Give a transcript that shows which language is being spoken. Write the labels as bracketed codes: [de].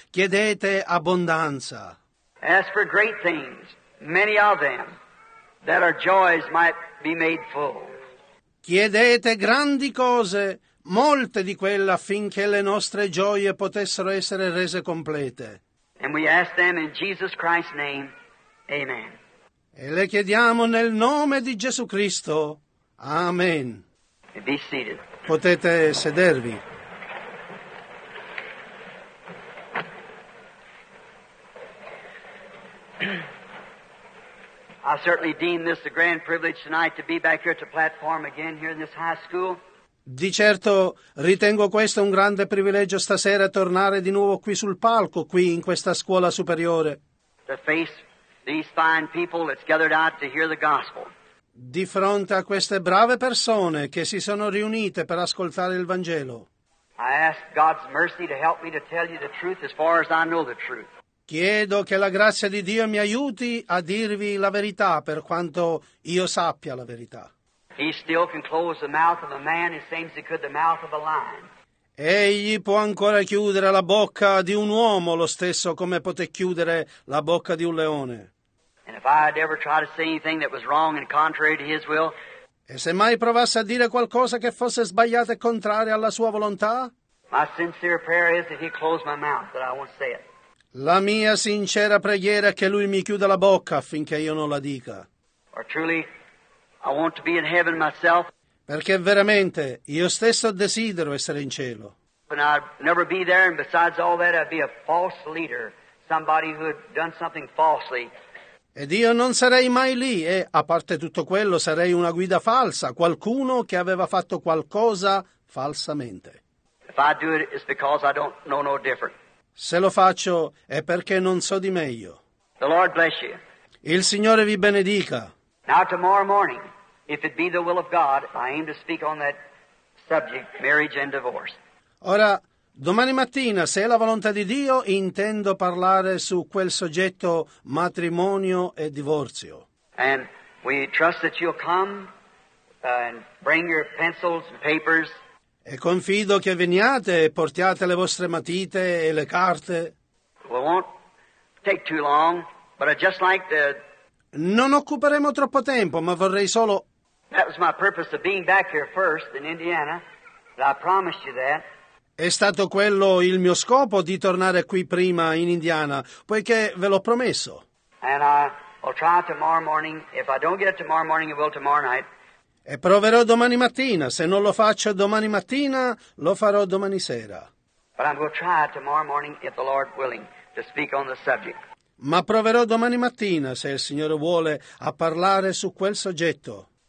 [it] Chiedete abbondanza. [en] Ask for great things, many of them, that our joys might be made full. [it] Chiedete grandi cose, molte di quelle affinché le nostre gioie potessero essere rese complete. [en] And we ask them in Jesus Christ's name, amen. [it] E le chiediamo nel nome di Gesù Cristo, amen. [en] And be seated. [it] Potete sedervi. [en] I certainly deem this a grand privilege tonight to be back here at the platform again here in this high school. [it] Di certo ritengo questo un grande privilegio stasera tornare di nuovo qui sul palco, qui in questa scuola superiore. [en] To face these fine people that's gathered out to hear the gospel. [it] Di fronte a queste brave persone che si sono riunite per ascoltare il Vangelo. [en] I ask God's mercy to help me to tell you the truth as far as I know the truth. [it] Chiedo che la grazia di Dio mi aiuti a dirvi la verità per quanto io sappia la verità. [en] He still can close the mouth of a man as same as he could the mouth of a lion. [it] Egli può ancora chiudere la bocca di un uomo lo stesso come poté chiudere la bocca di un leone. [en] And if I had ever tried to say anything that was wrong and contrary to his will. [it] E se mai provasse a dire qualcosa che fosse sbagliato e contrario alla sua volontà? [en] My sincere prayer is that he close my mouth that I won't say it. [it] La mia sincera preghiera è che lui mi chiuda la bocca affinché io non la dica. [en] Or truly, I want to be in heaven myself. [it] Perché veramente io stesso desidero essere in cielo. [en] But I'd never be there, and besides all that, I'd be a false leader, somebody who had done something falsely. [it] Ed io non sarei mai lì, e a parte tutto quello, sarei una guida falsa, qualcuno che aveva fatto qualcosa falsamente. [en] If I do it, it's because I don't know no different. [it] Se lo faccio è perché non so di meglio. [en] The Lord bless you. [it] Il Signore vi benedica. [en] Now tomorrow morning, if it be the will of God, I aim to speak on that subject, marriage and divorce. [it] Ora, domani mattina, se è la volontà di Dio, intendo parlare su quel soggetto matrimonio e divorzio. [en] And we trust that you'll come and bring your pencils and papers. [it] E confido che veniate e portiate le vostre matite e le carte. [en] We won't take too long, but I just like the. [it] Non occuperemo troppo tempo, ma vorrei solo. [en] That was my purpose of being back here first in Indiana, and I promised you that. [it] È stato quello il mio scopo di tornare qui prima in Indiana, poiché ve l'ho promesso. [en] And I'll try tomorrow morning. If I don't get it tomorrow morning, I will tomorrow night. [it] E proverò domani mattina. Se non lo faccio domani mattina, lo farò domani sera. [en] But I'm going to try tomorrow morning, if the Lord willing, to speak on the subject. [it] Ma proverò domani mattina, se il Signore vuole, a parlare su quel soggetto.